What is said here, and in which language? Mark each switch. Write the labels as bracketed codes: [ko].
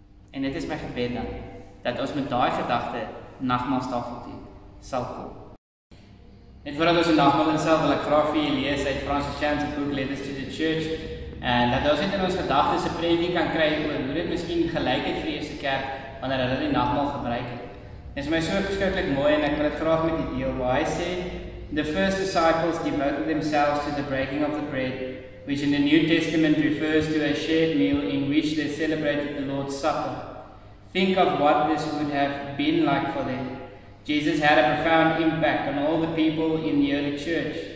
[af] En dit is my gebed dan dat ons met daai gedagte nagmaalstafel toe sal kom. En voordat ons die nagmaal inhaal, wil ek graag vir julle lees uit Francis Chan se boek Letters to the Church, en dat ons net in ons gedagtes 'n preentjie kan kry oor hoe dit miskien gelyk het vir die eerste kerk wanneer hulle die nagmaal gebruik het. Dit is my so verskriklik mooi en ek wil dit graag met julle deel. [en] Waar hy sê, "The first disciples devoted themselves to the breaking of the bread, which in the New Testament refers to a shared meal in which they celebrated the Lord's Supper. Think of what this would have been like for them. Jesus had a profound impact on all the people in the early church.